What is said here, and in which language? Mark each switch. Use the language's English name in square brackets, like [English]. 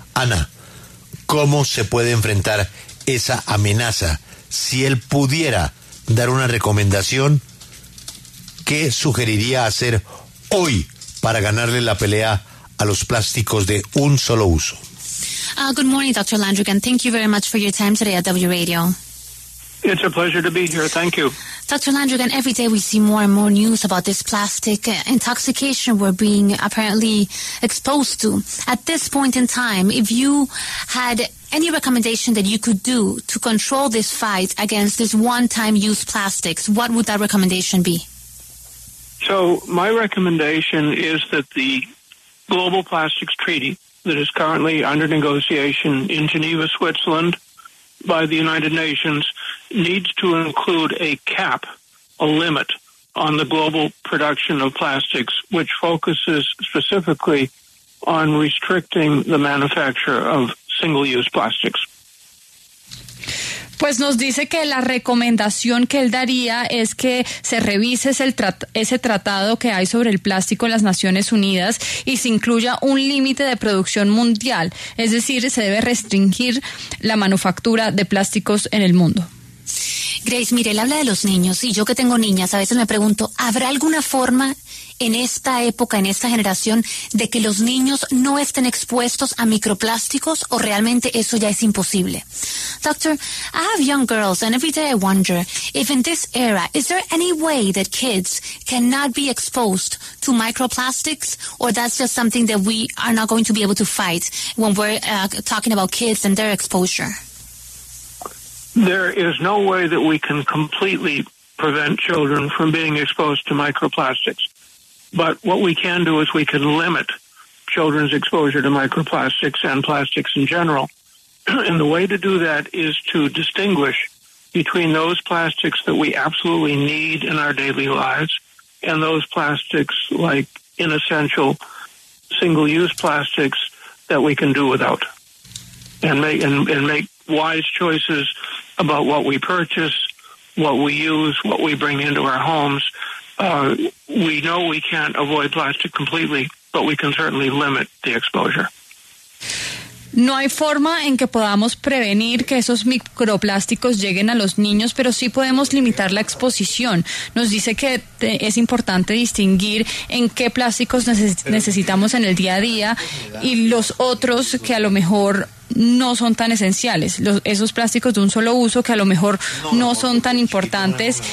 [Spanish] Ana, ¿cómo se puede enfrentar esa amenaza? Si él pudiera dar una recomendación, ¿qué sugeriría hacer hoy para ganarle la pelea a los plásticos de un solo uso? [English] Good morning, Dr. Landrigan. Thank you very much for your time today at W Radio. It's a pleasure to be here. Thank you. Dr. Landrigan, every day we see more and more news about this plastic intoxication we're being apparently exposed to. At this point in time, if you had any recommendation that you could do to control this fight against this one-time use plastics, what would that recommendation be? So my recommendation is that the Global Plastics Treaty that is currently under negotiation in Geneva, Switzerland, by the United Nations, needs to include a cap, a limit, on the global production of plastics, which focuses specifically on restricting the manufacture of single-use plastics. [Spanish] Pues nos dice que la recomendación que él daría es que se revise ese tratado que hay sobre el plástico en las Naciones Unidas y se incluya un límite de producción mundial, es decir, se debe restringir la manufactura de plásticos en el mundo. Grace, mire, él habla de los niños, y yo que tengo niñas, a veces me pregunto, ¿habrá alguna forma en esta época, en esta generación, de que los niños no estén expuestos a microplásticos, o realmente eso ya es imposible? [English] Doctor, I have young girls, and every day I wonder if in this era, is there any way that kids cannot be exposed to microplastics, or that's just something that we are not going to be able to fight when we're talking about kids and their exposure? There is no way that we can completely prevent children from being exposed to microplastics. But what we can do is we can limit children's exposure to microplastics and plastics in general. And the way to do that is to distinguish between those plastics that we absolutely need in our daily lives and those plastics, like inessential single-use plastics, that we can do without, and make wise choices about what we purchase, what we use, what we bring into our homes. We know we can't avoid plastic completely, but we can certainly limit the exposure. [Spanish] No hay forma en que podamos prevenir que esos microplásticos lleguen a los niños, pero sí podemos limitar la exposición. Nos dice que es importante distinguir en qué plásticos necesitamos en el día a día y los otros que a lo mejor no son tan esenciales, esos plásticos de un solo uso que a lo mejor no son tan importantes.